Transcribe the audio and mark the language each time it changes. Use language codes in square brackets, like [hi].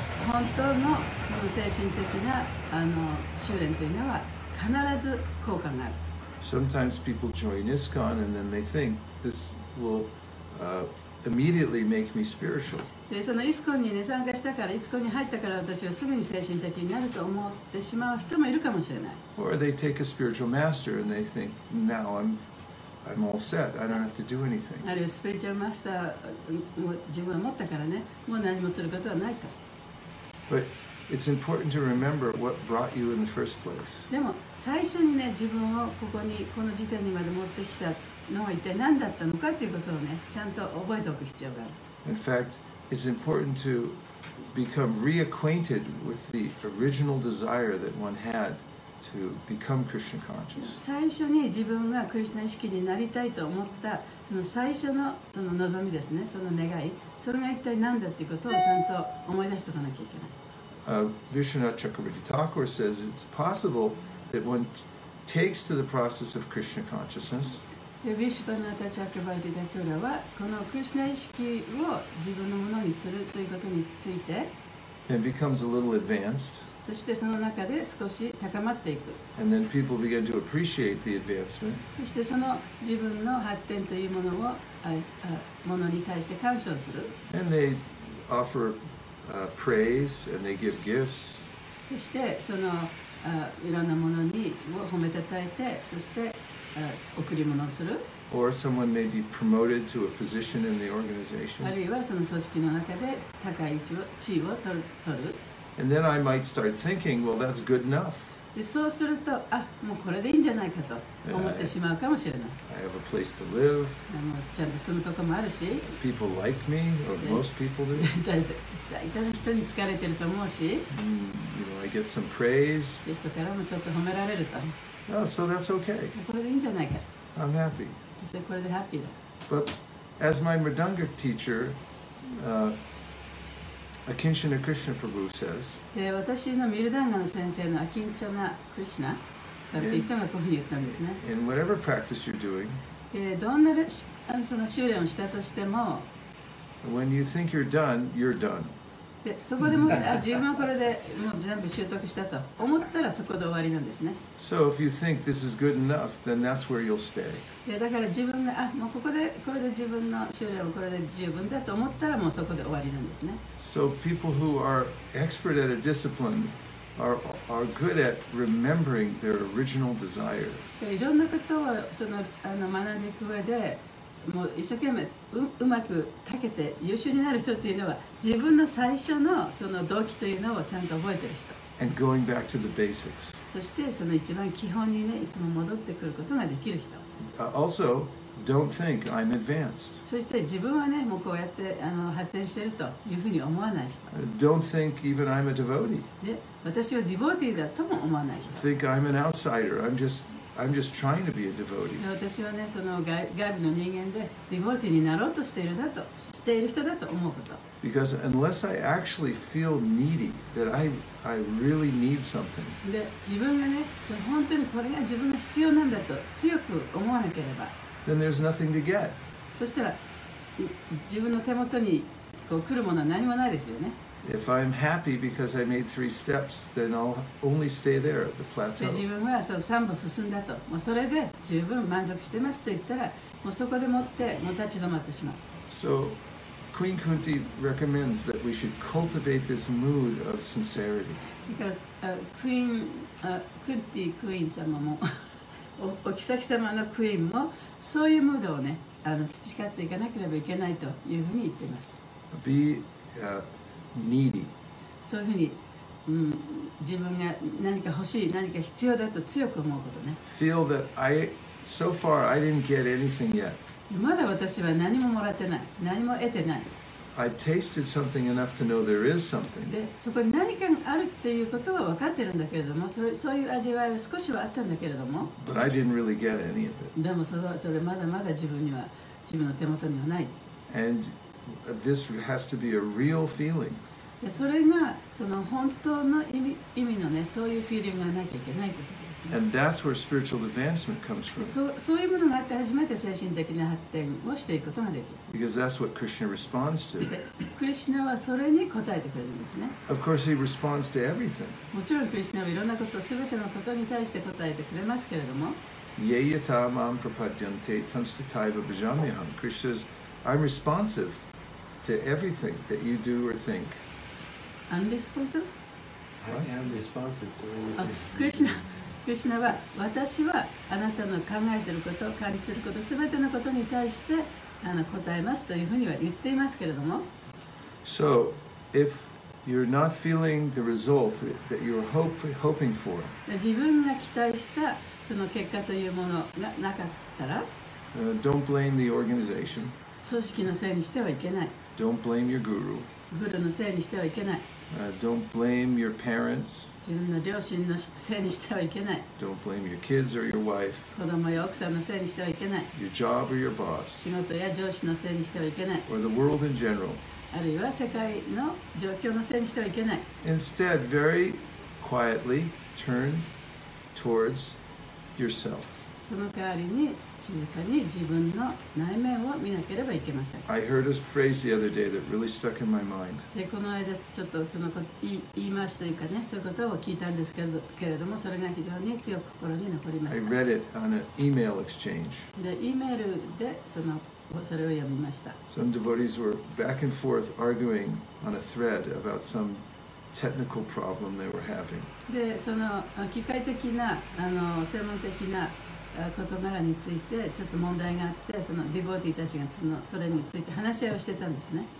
[ja] 本当のその精神的な修練というのは必ず効果がある。 [en] Sometimes people join ISKCON and then they think this will immediately make me spiritual. [ja] でそのイスコンに、ね、参加したから、イスコンに入ったから私はすぐに精神的になると思ってしまう人もいるかもしれない。 [en] Or they take a spiritual master and they think, now I'm all set, I don't have to do anything. [ja] あるいはスピリチュアルマスターを自分は持ったからね、もう何もすることはないと。 [en] But it's important to remember what brought you in the first place. [ja] でも最初にね、自分をここに、この時点にまで持ってきたのは一体何だったのかということをね、ちゃんと覚えておく必要がある。 [en] In fact,It's important to become reacquainted with the original desire that one had to become Krishna conscious. [ja] 最初に自分がクリシュナ意識になりたいと思ったその最初のその望みですね、その願い、それが一体何だっていうことをちゃんと思い出しておかなきゃいけない。 [en] Vishwanatha Chakravarti Thakur says it's possible that one takes to the process of Krishna consciousness. [ja] でヴィシュヴァナタ・チャクラバーティ・タクーラはこのクリシュナ意識を自分のものにするということについて [en] and becomes a little advanced. [ja] そしてその中で少し高まっていく [en] and then people begin to appreciate the advancement. [ja] そしてその自分の発展というものをものに対して感謝をする。 [en] And they offer, praise and they give gifts. [ja] そしてそのいろんなものにを褒めたたえて、そして贈り物をする。 [en] Or someone may be promoted to a position in the organization. [ja] あるいはその組織の中で高い地位を取る。 [en] And then I might start thinking, well, that's good enough. [ja] でそうすると、あ、もうこれでいいんじゃないかと思ってしまうかもしれない。 [en] I have a place to live. [ja] ちゃんと住むとこもあるし。 [en] People like me, or most people do. [ja] 大体の人に好かれてると思うし。 [en] You know, I get some praise. [ja] で人からもちょっと褒められると。 [en] Oh, so that's okay. [ja] これでいいんじゃないか。 [en] I'm happy. [ja] そしてこれでハッピーだ。 [en] But as my Mridanga teacher, Akinchana Krishna Prabhu says, [ja] 私のミルダンガの先生のアキンチャナ・クリシナさんという人がこういうふうに言ったんですね。 [en] In whatever practice you're doing, [ja] どんなその修練をしたとしても、 [en] When you think you're done, you're done. [ja] でそこでもあ自分はこれでもう全部習得したと思ったらそこで終わりなんですね。 [en] So if you think this is good enough, then that's where you'll stay. [ja] だから自分があもうここでこれで自分の修練をこれで十分だと思ったらもうそこで終わりなんですね。 [en] So people who are expert at a discipline are good at remembering their original desire. [ja] いろんなことをその学んでいく上で。もう一生懸命 うまくたけて優秀になる人というのは自分の最初 その動機というのをちゃんと覚えている人 [en] And going back to the basics. [ja] そしてその一番基本に、ね、いつも戻ってくることができる人、 [en] also, don't think I'm advanced. [ja] そして自分は、ね、もうこうやって発展しているというふうに思わない人、 [en] don't think even I'm a devotee. [ja] 私はディボーティーだとも思わない人 [en] think I'm an outsider. I'm just trying to be a devotee. [ja] 私はね、その外部の人間でディボーティーになろうとしているだと、している人だと思うこと。 [en] Because unless I actually feel needy, that I really need something. [ja] で、自分がね、本当にこれが自分が必要なんだと強く思わなければ。 [en] Then there's nothing to get. [ja] そしたら、自分の手元にこう来るものは何もないですよね。 [en] If I'm happy because I made three steps, then I'll only stay there at the plateau. [ja] 自分はそう三歩進んだと、もうそれで十分満足してますと言ったら、もうそこでもってもう立ち止まってしまう。 [en] So, Queen Kunti recommends that we should cultivate this mood of sincerity. [ja] だから、クンティ様も、お妃様のクイーンもそういうムードをね、培っていかなければいけないというふうに言っています。 [en] Be, needy. [ja] そういうふうに、自分が何か欲しい、何か必要だと強く思うことね。 [en] Feel that I, so far I didn't get anything yet. [ja] まだ私は何ももらってない、何も得てない。 [en] I've tasted something enough to know there is something. [ja] で、そこに何かあるっていうことは分かってるんだけれども、そういう味わいは少しはあったんだけれども。 [en] But I didn't really get any of it. [ja] でもそれまだまだ自分の手元にはない。 [en] And This has to be a real feeling. [ja] それがその本当の意味のね、そういうフィーリングがなきゃいけないということですね。 [en] And that's where spiritual advancement comes from. [ja] そういうものがあって初めて精神的な発展をしていくことができる。 [en] Because that's what Krishna responds to. [ja] クリシナはそれに答えてくれるんですね。 [en] Of course, he responds to everything. [ja] もちろんクリシナはいろんなこと、すべてのことに対して答えてくれますけれども。 [sa] ye yatamam prapadyante tamstitaiva bhajamyaham. [en] Krishna says, I'm responsive. To everything that you do or think. Unresponsive? I am responsive to everything. [ja] Krishna は、私はあなたの考えていること、感じていること、すべてのことに対して答えますというふうには言っていますけれども。 [en] So, if you're not feeling the result that you're hoping for, [ja] 自分が期待したその結果というものがなかったら、 [en] don't blame the organization. [ja] 組織のせいにしてはいけない。 [en] Don't blame your guru. [ja] ブルのせいにしてはいけない。 [en] Don't blame your parents. [ja] 自分の両親のせいにしてはいけない。 [en] Don't blame your kids or your wife. [ja] 子供や奥さんのせいにしてはいけない。 [en] Your job or your boss. [ja] 仕事や上司のせいにしてはいけない。 [en] Or the world in general. [ja] あるいは世界の状況のせいにしてはいけない。 [en] Instead, very quietly turn towards yourself. [ja] その代わりに静かに自分の内面を見なければいけません。 [en] I heard a phrase the other day that really stuck in my mind. [ja] で、この間ちょっとその言い回しというかね、そういうことを聞いたんですけれども、それが非常に強く心に残りました。 [en] I read it on an email exchange. [ja] で、E メールでそのそれを読みました。 [en] Some devotees were back and forth arguing on a thread about some technical problem they were having. [ja] で、その機械的な、専門的な事柄についてちょっと問題があって、そのディボティたちがそれについて話し合いをしてたんですね。